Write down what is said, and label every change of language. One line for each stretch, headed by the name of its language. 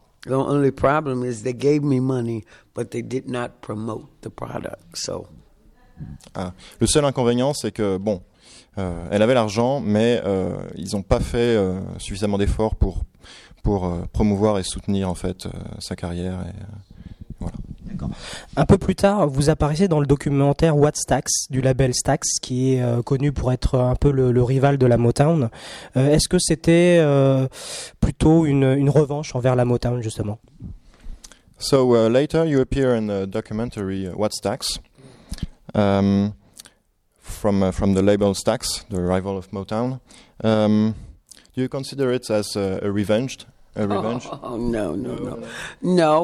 English: The only problem is they gave me money, but they did not promote the product. So.
French: Ah, le seul inconvénient, c'est que bon, elle avait l'argent, mais ils n'ont pas fait suffisamment d'efforts pour promouvoir et soutenir en fait sa carrière. Et, voilà. D'accord. Un peu plus tard, vous apparaissez dans le documentaire What Stax, du label Stax, qui est connu pour être un peu le rival de la Motown. Est-ce que c'était plutôt une revanche envers la Motown, justement?
English: So, later you appear in the documentary What Stax, from the label Stax, the rival of Motown. Do you consider it as a revenge? No.